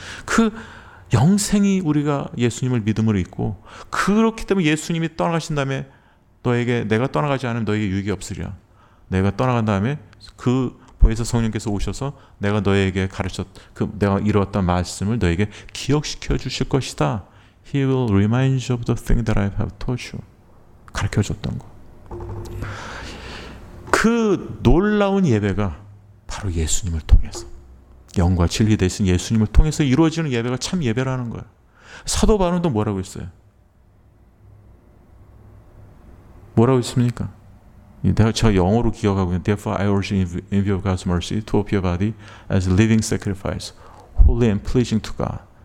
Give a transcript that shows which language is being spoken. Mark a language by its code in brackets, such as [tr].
[ko] 그 영생이 우리가 예수님을 믿음으로 있고 그렇기 때문에 예수님이 떠나가신 다음에 너에게 내가 떠나가지 않으면 너에게 유익이 없으리라. 내가 떠나간 다음에 그 보혜사 성령께서 오셔서 내가 너에게 가르쳤 그 내가 이루었던 말씀을 너에게 기억시켜 주실 것이다. [en] He will remind you of the thing that I have taught you. [ko] 가르쳐 줬던 거. 그 놀라운 예배가 바로 예수님을 통해서 영과 진리 대신 예수님을 통해서 이루어지는 예배가 참 예배라는 거예요. 사도 바울도 뭐라고 했어요? 뭐라고 했습니까? 제가 영어로 기억하고 있는데, [en] Therefore I urge in view of God's mercy to offer your body as a living sacrifice, holy and pleasing to God.